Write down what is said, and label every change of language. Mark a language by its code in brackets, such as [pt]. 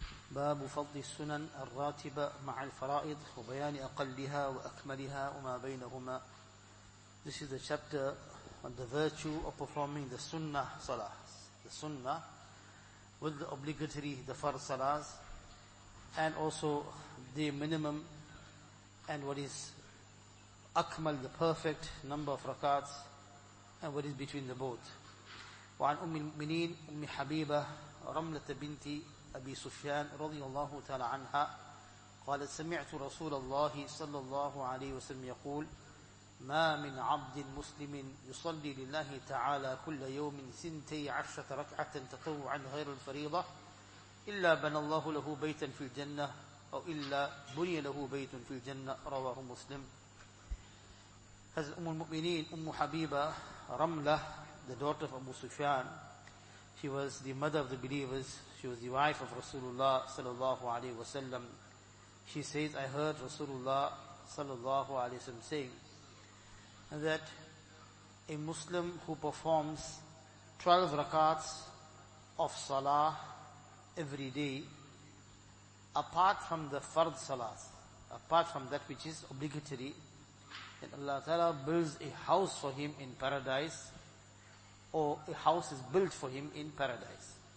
[ar] باب فضل السنن الراتبة مع الفرائض وبيان أقلها وأكملها وما بينهما. [en] This is the chapter on the virtue of performing the sunnah salah, the sunnah with the obligatory, the farz salahs, and also the minimum and what is أكمل, the perfect number of rakats, and what is between the both. [ar] وعن أم المؤمنين أم حبيبة رملة بنت أبي سفيان رضي الله تعالى عنها قالت سمعت رسول الله صلى الله عليه وسلم يقول ما من عبد مسلم يصلي لله تعالى كل يوم 12 ركعة تطوعا غير الفريضة إلا بنى الله له بيتا في الجنة أو إلا بني له بيت في الجنة. رواه مسلم. هذا أم المؤمنين أم حبيبة رملة, [en] the daughter of Abu Sufyan, she was the mother of the believers, she was the wife of Rasulullah sallallahu alayhi wa sallam. She says, I heard Rasulullah sallallahu alayhi wa sallam saying that a Muslim who performs 12 rakats of salah every day, apart from the fard salahs, apart from that which is obligatory, then Allah Ta'ala builds a house for him in paradise, or a house is built for him in paradise.